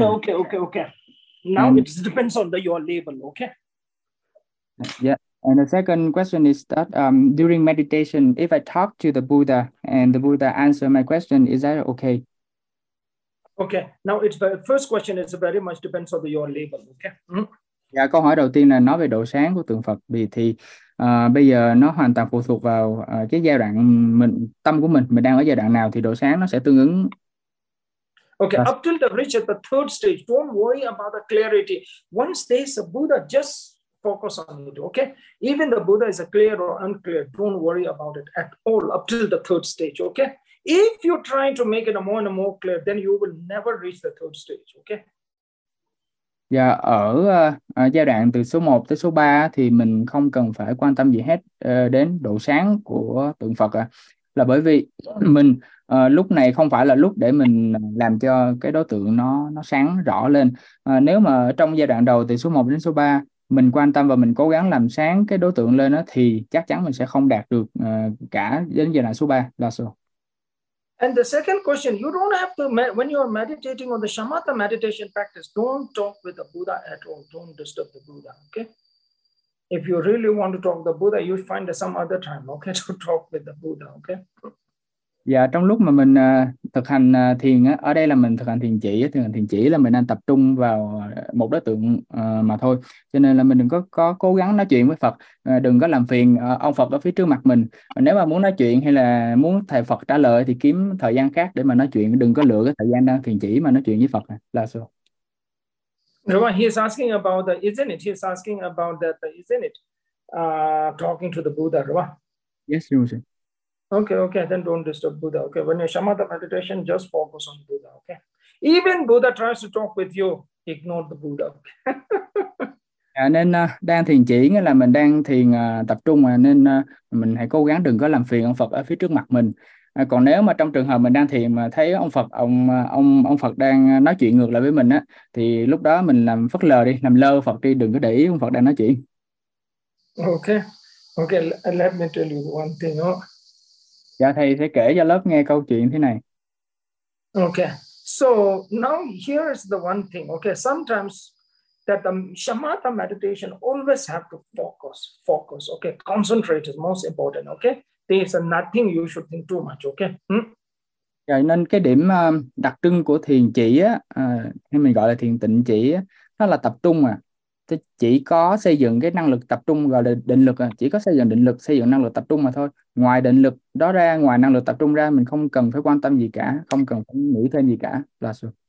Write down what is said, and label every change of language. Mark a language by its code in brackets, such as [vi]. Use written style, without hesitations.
[en] Okay. Now it depends on your level, okay? Yeah. And the second question is that during meditation, if I talk to the Buddha and the Buddha answer my question, is that okay? Okay. Now it's the first question is very much depends on your level, okay? [vi] Dạ, câu hỏi đầu tiên là nói về độ sáng của tượng Phật thì bây giờ nó hoàn toàn phụ thuộc vào cái giai đoạn tâm của mình đang ở giai đoạn nào thì độ sáng nó sẽ tương ứng. [en] Okay, up till the reach at the third stage, don't worry about the clarity. Once there's a Buddha, just focus on it, okay? Even the Buddha is a clear or unclear, don't worry about it at all up till the third stage, okay? If you're trying to make it more and more clear, then you will never reach the third stage, okay? [vi] Và ở giai đoạn từ số 1 tới số 3 thì mình không cần phải quan tâm gì hết đến độ sáng của tượng Phật à. Là bởi vì mình lúc này không phải là lúc để mình làm cho cái đối tượng nó sáng rõ lên. Nếu mà trong giai đoạn đầu từ số 1 đến số 3 mình quan tâm và mình cố gắng làm sáng cái đối tượng lên đó, thì chắc chắn mình sẽ không đạt được cả đến giai đoạn số 3 là số. [en] And the second question, you don't have to, when you are meditating on the shamatha meditation practice, don't talk with the Buddha at all. Don't disturb the Buddha, okay? If you really want to talk to the Buddha, you find some other time, okay, to talk with the Buddha, okay? [vi] Và trong lúc mà mình thực hành thiền á, ở đây là mình thực hành thiền chỉ là mình đang tập trung vào một đối tượng mà thôi. Cho nên là mình đừng có cố gắng nói chuyện với Phật, đừng có làm phiền ông Phật ở phía trước mặt mình. Nếu mà muốn nói chuyện hay là muốn thầy Phật trả lời thì kiếm thời gian khác để mà nói chuyện, đừng có lựa cái thời gian đang thiền chỉ mà nói chuyện với Phật là sao. Rồi, [en] he is asking about the, isn't it? He is asking about that, isn't it? Talking to the Buddha, [vi] Rồi. [en] Yes, you sir. Okay, then don't disturb Buddha. Okay, when you're shamatha meditation, just focus on Buddha. Okay, even Buddha tries to talk with you, ignore the Buddha. [vi] À, nên đang thiền chỉ nghĩa là mình đang thiền tập trung mà nên mình hãy cố gắng đừng có làm phiền ông Phật ở phía trước mặt mình. Còn nếu mà trong trường hợp mình đang thiền mà thấy ông Phật đang nói chuyện ngược lại với mình á thì lúc đó mình làm phớt lờ đi, làm lơ Phật đi, đừng có để ý ông Phật đang nói chuyện. [en] Okay. Let me tell you one thing. [vi] Dạ thầy sẽ kể cho lớp nghe câu chuyện thế này. [en] So now here is the one thing. Sometimes that the shamatha meditation always have to focus, focus. Concentrate is most important. There is nothing you should think too much. [vi] Dạ, nên cái điểm đặc trưng của thiền chỉ á, hay mình gọi là thiền tịnh chỉ á, nó là tập trung à. Chỉ có xây dựng cái năng lực tập trung gọi là định lực à. Chỉ có xây dựng năng lực tập trung mà thôi. Ngoài định lực đó ra, ngoài năng lực tập trung ra, mình không cần phải quan tâm gì cả, không cần phải nghĩ thêm gì cả là sự.